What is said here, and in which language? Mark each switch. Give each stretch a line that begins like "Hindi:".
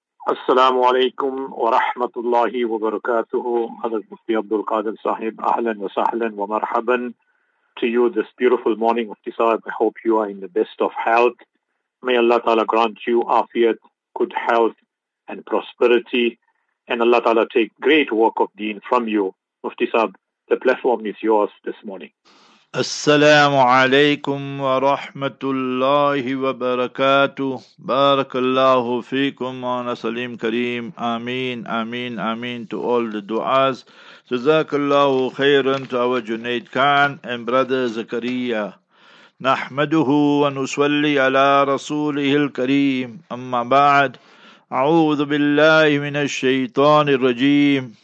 Arabic: السلام عليكم ورحمة الله وبركاته. حضرت مفتي عبد القادر صاحب, أهلا وسهلا ومرحبا
English: to you this beautiful morning. Mufti Sahib, I hope you are in the best of health. May Allah Ta'ala grant you afiyat, good health and prosperity, and Allah Ta'ala take great work of deen from you. Mufti Sahib, the platform is yours this morning.
Arabic: السلام عليكم ورحمة الله وبركاته. بارك الله فيكم وانا سليم كريم. آمين آمين آمين
English: to all the du'as.
Arabic: جزاك الله خيرا
English: to our Junaid Khan and brother زكريا.
Arabic: نحمده ونصلي على رسوله الكريم. أما بعد, أعوذ بالله من الشيطان الرجيم.